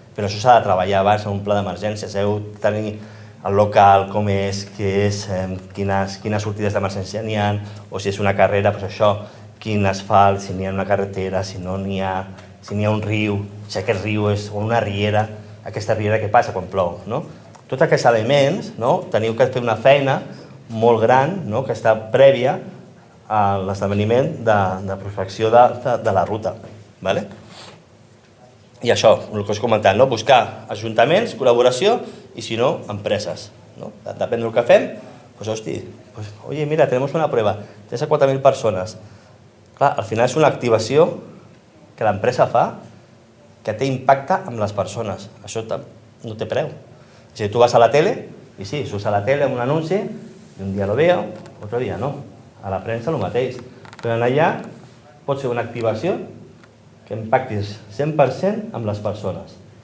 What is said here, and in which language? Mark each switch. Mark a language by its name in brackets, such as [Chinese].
[Catalan] Però això s'ha de treballar abans en un pla d'emergències. Heu de tenir el local, com és, què és, quines sortides d'emergència n'hi ha, o si és una carrera, doncs això, quin asfalt, si n'hi ha una carretera, si no n'hi ha, si n'hi ha un riu, si aquest riu és o una riera, aquesta riera què passa quan plou, no? Tots aquests elements, no?, teniu que fer una feina molt gran, no?, que està prèvia a l'esdeveniment de prospecció de la ruta. ¿Vale? I això, el que us he comentat, no? Buscar ajuntaments, col·laboració i, si no, empreses. No? Depèn del que fem, [Spanish] pues, hosti, pues, oye, mira, tenemos una prueba, 3 a 4.000 persones. [Catalan] Clar, al final és una activació que l'empresa fa que té impacte amb les persones. Això no té preu. Si tu vas a la tele, i sí, surts a la tele amb un anunci, i un dia [Spanish] lo veo, otro dia no. [Catalan] A la premsa lo mateix. Però allà pot ser una activació que impactis 100% amb les persones.